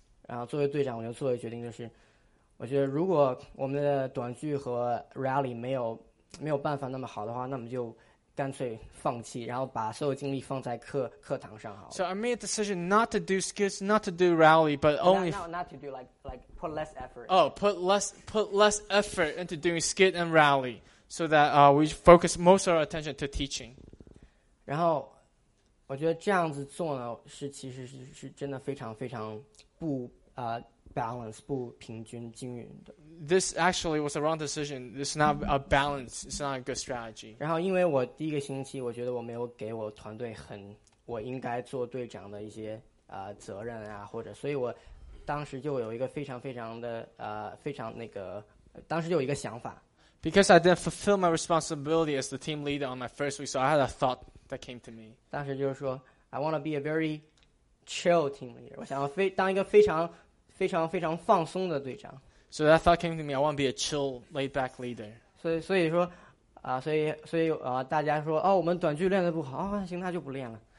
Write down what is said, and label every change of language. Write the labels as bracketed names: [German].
[Chinese] 然后作为队长，我就做了决定，就是我觉得如果我们的短剧和 rally 没有办法那么好的话，那么就干脆放弃，然后把所有精力放在课堂上好了。 [English] So I made a decision not to do skits, not to do rally, but only not to do like put less effort. Oh, put less effort into doing skit and rally, so that we focus most of our attention to teaching. [Chinese] 然后。我觉得这样子做呢，其实是真的非常非常不balance 不平均均匀的。 [English] This actually was a wrong decision. It's not a balance. It's not a good strategy. [Chinese] 然后因为我第一个星期，我觉得我没有给我团队很我应该做队长的一些责任啊，或者所以我当时就有一个非常非常的非常那个，当时就有一个想法。 [English] Because I didn't fulfill my responsibility as the team leader on my first week, so I had a thought. That came to me. [Chinese] 当时就是说 ， [English] I want to be a very chill team leader. [Chinese] 我想要当一个非常非常非常放松的队长。 [English] So that thought came to me. I want to be a chill, laid-back leader. [Chinese] 所以说所以大家说哦，我们短剧练得不好啊，行，那就不练了。